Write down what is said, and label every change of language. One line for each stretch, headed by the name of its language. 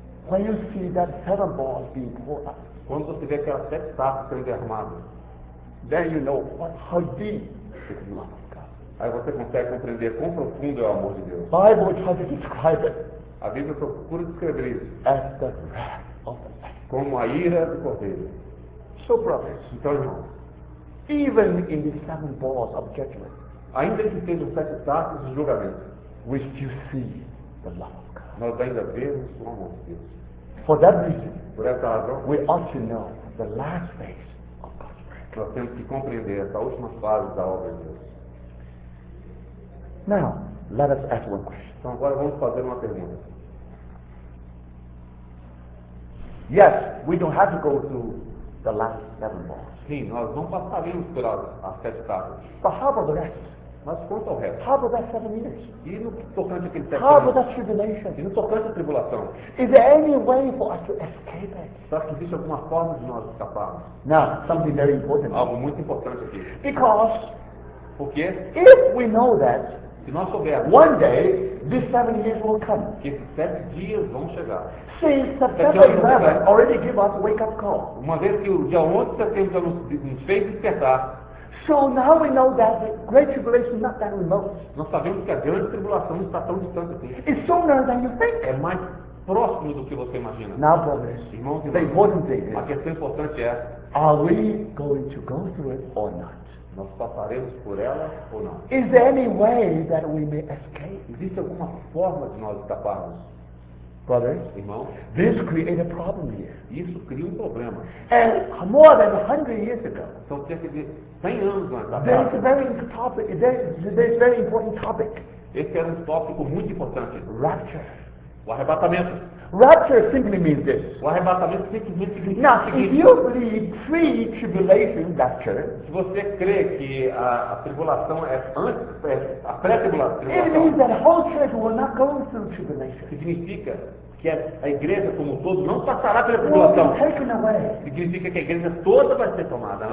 English: when you see that seven balls being poured out,
Portuguese: quando você vê aquelas sete taças sendo derramadas,
English: then you know how deep is the love of God.
Portuguese: Aí você consegue compreender quão profundo é o amor de Deus.
English: Bible tries to describe it.
Portuguese: A Bíblia procura descrever isso.
English: As the wrath of the Lamb.
Portuguese: Como a ira do Cordeiro.
English: So brothers,
Portuguese: então irmãos.
English: Even in the seven balls of judgment,
Portuguese: ainda que estejam sete taças de julgamento,
English: we still see the love of God.
Portuguese: Nós ainda vemos o amor de Deus.
English: For that reason,
Portuguese: por essa razão,
English: we ought to know the last phase of God's work.
Portuguese: Nós temos que compreender essa última fase da obra de Deus.
English: Now, let us ask one question.
Portuguese: Então agora vamos fazer uma pergunta.
English: Yes, we don't have to go through the last seven balls.
Portuguese: Sim, nós não passaremos pelas sete tábuas.
English: But how about the rest?
Portuguese: Mas quanto ao resto?
English: How about that 7 years?
Portuguese: E no tocante àquele
English: tempo? How about that tribulation?
Portuguese: E no tocante à tribulação?
English: Is there any way for us to escape it?
Portuguese: Será que existe alguma forma de nós escaparmos?
English: Now, something very important.
Portuguese: Algo muito importante aqui.
English: Because,
Portuguese: porque,
English: if we know that,
Portuguese: se nós soubermos,
English: one day these 7 years will come.
Portuguese: Que esses 7 dias vão chegar.
English: Since September 11 already gave us wake up call.
Portuguese: Uma vez que o dia 11 de setembro nos fez despertar.
English: So now we know that the Great Tribulation is not that remote.
Portuguese: Nós sabemos que a grande tribulação não está tão distante assim.
English: It's sooner than you think.
Portuguese: É mais próximo do que você imagina.
English: Now, brothers,
Portuguese: irmãos,
English: important thing is,
Portuguese: a questão importante é:
English: are we going to go through it or not?
Portuguese: Nós passaremos por ela ou não?
English: Is there any way that we may escape?
Portuguese: Existe alguma forma de nós escaparmos?
English: Brothers,
Portuguese: irmãos,
English: this created a problem here.
Portuguese: Isso cria problema.
English: And more than 100 years ago,
Portuguese: são cerca de 100 anos antes.
English: There is a very topic. There is a very important topic.
Portuguese: Esse era tópico muito importante.
English: Rapture.
Portuguese: O arrebatamento.
English: Rapture simply means this.
Portuguese: O arrebatamento simplesmente significa.
English: Now, if you believe pre-tribulation rapture,
Portuguese: se você crê que a tribulação é antes, a pré-tribulação,
English: it means that the whole church will not go through tribulation.
Portuguese: Significa que a igreja como um todo não passará pela tribulação.
English: Will be taken away.
Portuguese: Significa que a igreja toda vai ser tomada.